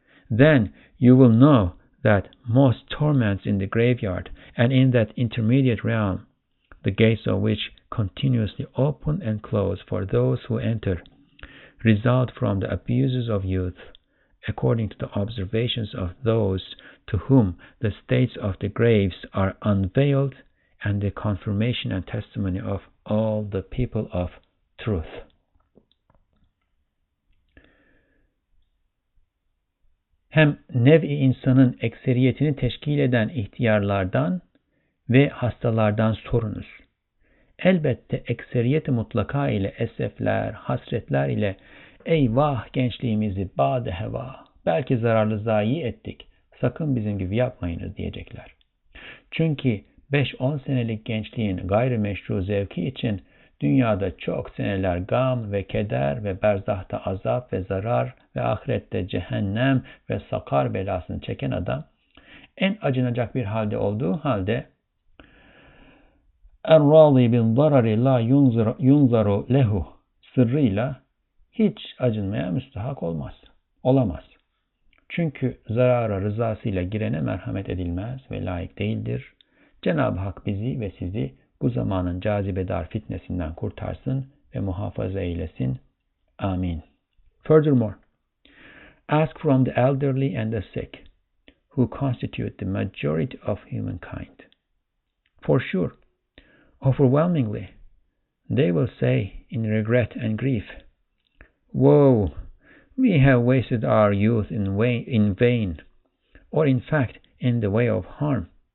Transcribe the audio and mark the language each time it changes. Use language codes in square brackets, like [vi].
[en] Then you will know that most torments in the graveyard and in that intermediate realm, the gates of which continuously open and close for those who enter, result from the abuses of youth according to the observations of those to whom the states of the graves are unveiled and the confirmation and testimony of all the people of truth. [tr] Hem nev-i insanın ekseriyetini teşkil eden ihtiyarlardan ve hastalardan sorunuz. Elbette ekseriyeti mutlaka ile esefler, hasretler ile eyvah gençliğimizi bade heva, belki zararlı zayi ettik, sakın bizim gibi yapmayınız diyecekler. Çünkü 5-10 senelik gençliğin gayrimeşru zevki için dünyada çok seneler gam ve keder ve berzahta azap ve zarar ve ahirette cehennem ve sakar belasını çeken adam en acınacak bir halde olduğu halde [ar] اَرْرَالِي بِنْ ضَرَرِ لَا يُنْزَرُ لَهُ [tr] sırrıyla hiç acınmaya müstahak olmaz. Olamaz. Çünkü zarara rızasıyla girene merhamet edilmez ve layık değildir. Cenab-ı Hak bizi ve sizi bu zamanın cazibedar fitnesinden kurtarsın ve muhafaza eylesin. Amin. [en] Furthermore, ask from the elderly and the sick, who constitute the majority of humankind. For sure, overwhelmingly, they will say in regret and grief, woe, we have wasted our youth in vain, or in fact, in the way of harm.